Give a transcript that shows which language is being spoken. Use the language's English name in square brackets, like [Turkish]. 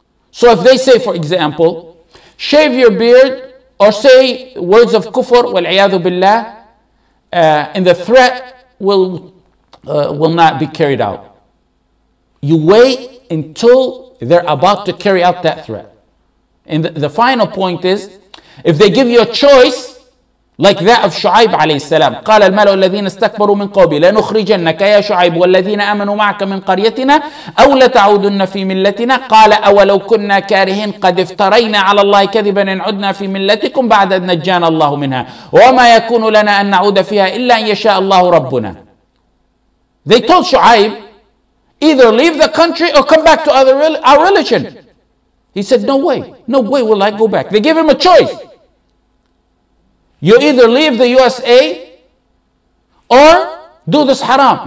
[English] So if they say, for example, shave your beard, or say words of kufr, wal'iyadhu billah, and the threat will not be carried out. You wait until they're about to carry out that threat. And the final point is, if they give you a choice, like that of Shu'aib alayhi salam. [Arabic] قال الملأ الذين استكبروا من قومه لنخرجنك يا شعيب والذين آمنوا معك من قريتنا أو لتعودن في ملتنا قال أولو كنا كارهين قد افترينا على الله كذبا إن عدنا في ملتكم بعد أن نجانا الله منها وما يكون لنا أن نعود فيها إلا أن يشاء الله ربنا. [English] They told Shu'aib, either leave the country or come back to our religion. He said, no way. No way will I go back. They gave him a choice. You either leave the USA or do this haram.